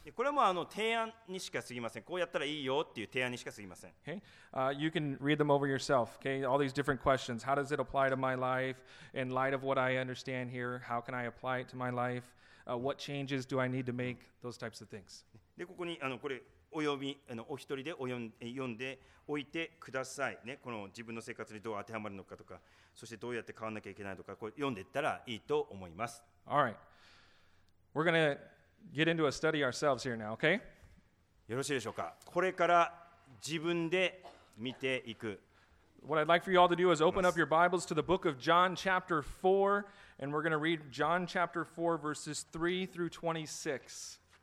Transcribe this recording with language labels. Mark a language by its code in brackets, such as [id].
[ja] これも提案にしか過ぎません。こうやったらいいよっていう提案にしか過ぎません。 [en] Okay. You can read them over yourself. Okay. All these different questions. How does it apply to my life? In light of what I understand here, how can I apply it to my life? What changes do I need to make? Those types of things. [ja] でここにこれお読み、お一人でお読んでおいてください、ね、この自分の生活にどう当てはまるのかとか、そしてどうやって変わらなきゃいけないのか、これ読んでいったらいいと思います。 [en] All right. We're going to get into a study ourselves here now, okay? [ja] よろしいでしょうか。これから自分で見ていく。 [en] What I'd like for you all to do is open up your Bibles to the book of John chapter 4, and we're going to read John chapter 4 verses 3 through 26.